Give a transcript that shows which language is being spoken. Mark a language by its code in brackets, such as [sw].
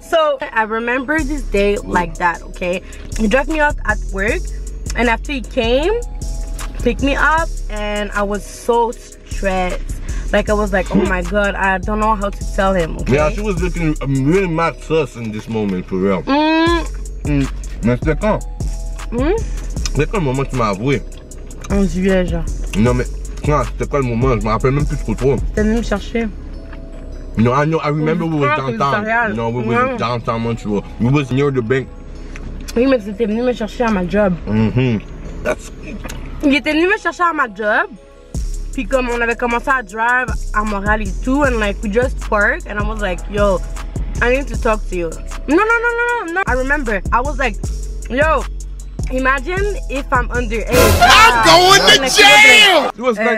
[en] So I remember this day like that, okay? He dropped me off at work and after he came, pick me up, and I was so stressed. Like, I was like, oh my god, I don't know how to tell him, okay? Yeah, she was looking really mad sus in this moment, for real. [fr] Mais c'était quand? C'était quand le moment que tu m'as avoué? En juillet, genre. Non, mais quand, c'était quoi le moment? Je me rappelle même plus trop. T'es venu me chercher. [en] No, I know, I remember we were downtown. No, we were downtown Montreal. We was near the bank. [fr] Oui, mais t'es venu me chercher à ma job. [en] That's... [fr] Il était venu me chercher à ma job. Puis comme on avait commencé à drive à Montréal et tout, [en] and like we just parked, and I was like, yo, I need to talk to you. No. I remember. I was like, yo, imagine if I'm underage. I'm going to jail. It was like